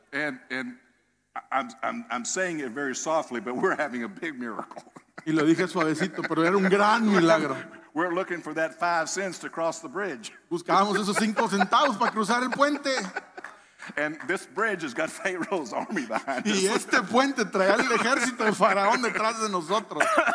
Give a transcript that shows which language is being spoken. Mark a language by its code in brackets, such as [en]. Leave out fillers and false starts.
[en] And I'm saying it very softly, but we're having a big miracle. [es] Y lo dije suavecito, pero era un gran milagro. [en] We're looking for that 5 cents to cross the bridge. [es] Buscábamos esos 5 centavos para cruzar el puente. [en] And this bridge has got Pharaoh's army behind us. [es] Y este puente traía el ejército de Faraón detrás de nosotros.